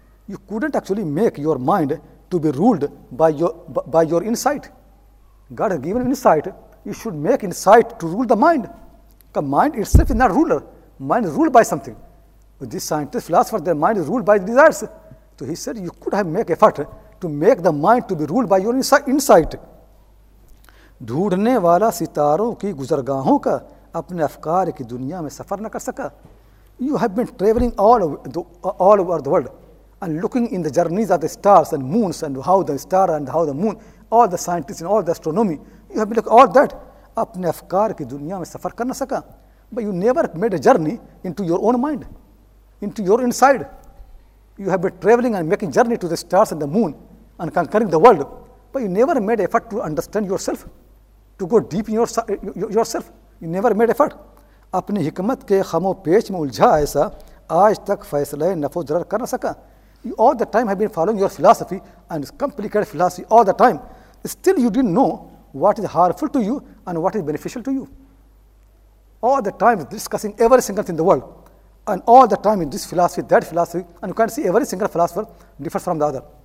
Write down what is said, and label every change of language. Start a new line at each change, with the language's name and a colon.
English: You couldn't actually make your mind to be ruled by your insight. God has given insight. You should make insight to rule the mind. The mind itself is not ruler. Mind is ruled by something. This scientist, philosopher, their mind is ruled by desires. So he said, you could have make effort to make the mind to be ruled by your insight.
Urdu: ڈھوڑنے والا ستاروں کی گزرگاہوں کا اپنے افکار کی دنیا میں سفر نہ کر سکا.
English: You have been traveling all over the world and looking in the journeys of the stars and moons and how the star and how the moon, all the scientists and all the astronomy, you have been looking all that.
Urdu: اپنے افکار کی دنیا میں سفر کر نہ سکا.
English: But you never made a journey into your own mind, into your inside. You have been traveling and making journey to the stars and the moon and conquering the world. But you never made effort to understand yourself, to go deep in yourself. You never made effort.
Urdu: اپنی حکمت کے خم و پیچ میں الجھا ایسا آج تک فیصلہ نفع و ضرر کر نہ سکا.
English: You all the time have been following your philosophy and complicated philosophy all the time. Still you didn't know what is harmful to you and what is beneficial to you. All the time discussing every single thing in the world and all the time in this philosophy, that philosophy, and you can see every single philosopher differs from the other.